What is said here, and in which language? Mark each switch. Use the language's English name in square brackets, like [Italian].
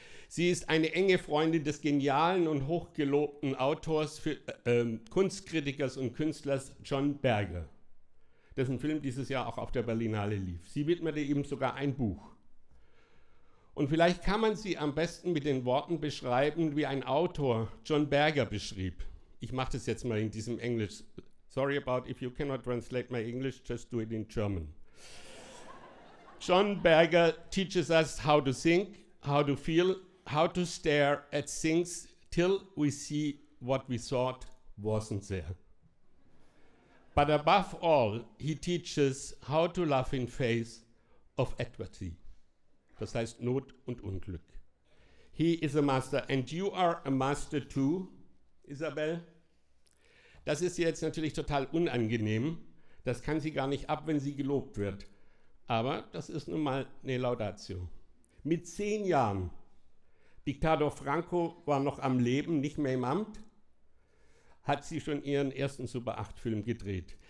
[German] Sie ist eine enge Freundin des genialen und hochgelobten Autors, Kunstkritikers und Künstlers John Berger, dessen Film dieses Jahr auch auf der Berlinale lief. Sie widmete ihm sogar ein Buch. Und vielleicht kann man sie am besten mit den Worten beschreiben, wie ein Autor John Berger beschrieb. Ich mache das jetzt mal in diesem Englisch. [English] Sorry about if you cannot translate my English, just do it in German. John Berger teaches us how to think, how to feel, how to stare at things till we see what we thought wasn't there. But above all, he teaches how to love in face of adversity. [German] Das heißt Not und Unglück. [English] He is a master and you are a master too, Isabel. [German] Das ist jetzt natürlich total unangenehm. Das kann sie gar nicht ab, wenn sie gelobt wird. Aber das ist nun mal eine Laudatio. Mit 10 Jahren. Diktator Franco war noch am Leben, nicht mehr im Amt, hat sie schon ihren ersten Super 8-Film gedreht.